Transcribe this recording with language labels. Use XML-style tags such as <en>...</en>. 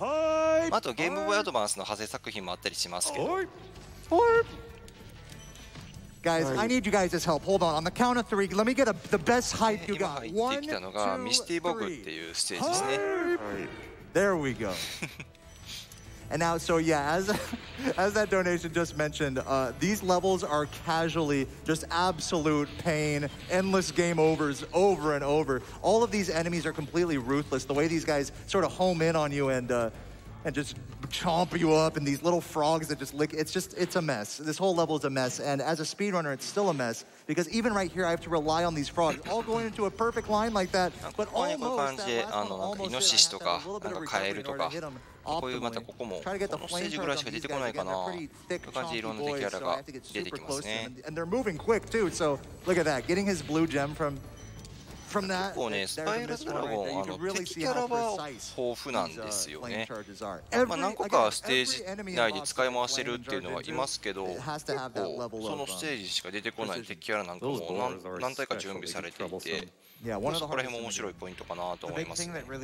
<ja>あとゲームボーイアドバンスの派生作品もあったりしますけど、</ja> <en>Guys, I need you guys' help. Hold on. On the count of three, let me get the best hype you got. One, two, three.</en> <ja>ミスティーボグっていうステージですね。</ja> <en>There we go. And now, so yeah, as that donation just mentioned, these levels are casually just absolute pain, endless game overs over and over. All of these enemies are completely ruthless. The way these guys sort of home in on you and just chomp you up, and these little frogs that just lick, it's a mess. This whole level is a mess, and as a speedrunner, it's still a mess, because even right here, I have to rely on these frogs, all going into a perfect line like that, but almost, that last one, almost,</en> <ja>イノシシとか、なんかカエルとか、こういう、またここも、このステージぐらいしか出てこないかな、という感じでいろんな敵キャラが出てきますね。</ja> <en>And they're moving quick, too, so look at that, getting his blue gem from</en> <ja>結構ね、スパイラドラゴン、敵キャラは豊富なんですよね。まあ、何個かステージ内で使い回せるっていうのはいますけど、結構そのステージしか出てこない敵キャラなんかも 何体か準備されていて、まあ、そこら辺も面白いポイントかなと思います、ね。</ja>